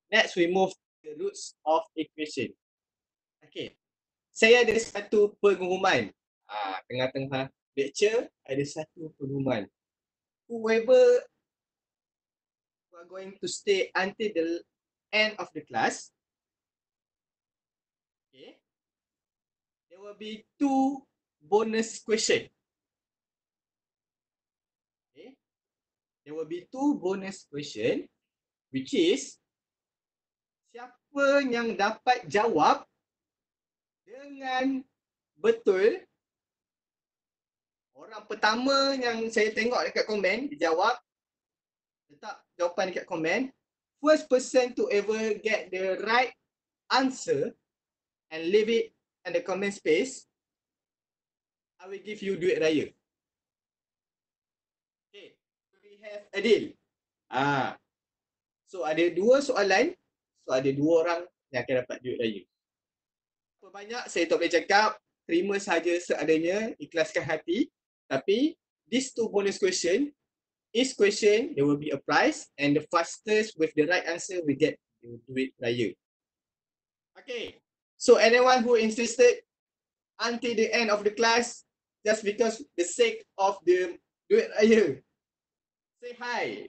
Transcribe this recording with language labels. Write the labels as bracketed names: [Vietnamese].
[English] Next we move to the roots of equation. Okay. [Malay] Saya ada satu pengumuman. Tengah-tengah lecture, ada satu pengumuman. [English] Whoever who are going to stay until the end of the class, okay, there will be two bonus question. Okay. There will be two bonus question, which is, [Malay] siapa yang dapat jawab dengan betul, orang pertama yang saya tengok dekat komen, [English] dijawab, letak jawapan dekat komen, first person to ever get the right answer and leave it in the comment space, I will give you duit raya. Okay, we have a deal. [Malay] So ada dua soalan, so ada dua orang yang akan dapat duit raya. Banyak saya tak boleh cakap, terima sahaja seadanya, ikhlaskan hati. [English] Tapi these two bonus question, each question there will be a prize and the fastest with the right answer we get the duit raya. Okay, so anyone who insisted until the end of the class just because the sake of the duit raya, say hi.